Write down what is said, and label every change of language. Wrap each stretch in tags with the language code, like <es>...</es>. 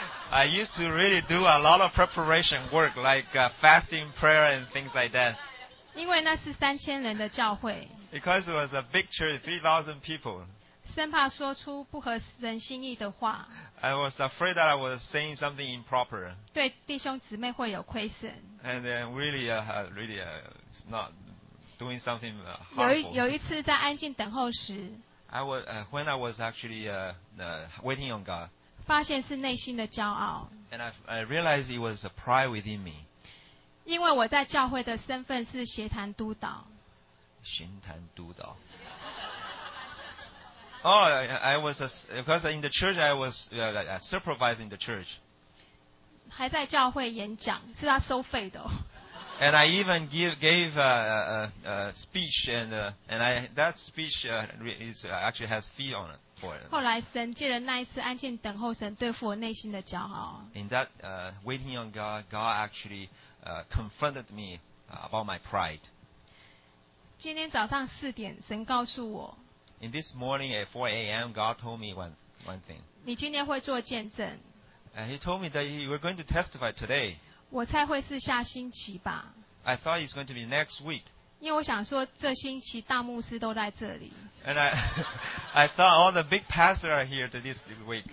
<en>I used to really do a lot of preparation work like fasting, prayer and things like that.</en> <zh>因为那是三千人的教会</zh> <en>Because it was a big church, 3,000 people.</en> <zh>生怕说出不合人心意的话。</zh> <en>I was afraid that I was saying something improper.</en> <zh>对弟兄姊妹会有亏损。</zh> <en>And then really, not doing something harmful.</en> <zh>有一次在安静等候时。</zh> <en>I was when I was actually waiting on God.</en> <zh>发现是内心的骄傲。</zh> <en>And I realized it was a pride within me.</en> <zh>因为我在教会的身份是协谈督导。协谈督导。</zh> <en>Oh, I was because in the church I was supervising the church.</en> <zh>还在教会演讲，是要收费的。</zh> <en>And I even gave a speech and that speech is actually has fee on it for it.</en> <zh>后来神借了那一次安静等候神对付我内心的骄傲。</zh> <en>In that waiting on God, God actually confronted me about my pride.</en> <zh>今天早上四点，神告诉我。</zh> <en>In this morning at 4 a.m., God told me one thing.</en> <zh>你今天会做见证。</zh> <en>And he told me that you were going to testify today.</en> <zh>我猜会是下星期吧。</zh> <en>I thought it's going to be next week.</en> <zh>因为我想说这星期大牧师都在这里。</zh> <en>And I thought all the big pastors are here this week.</en>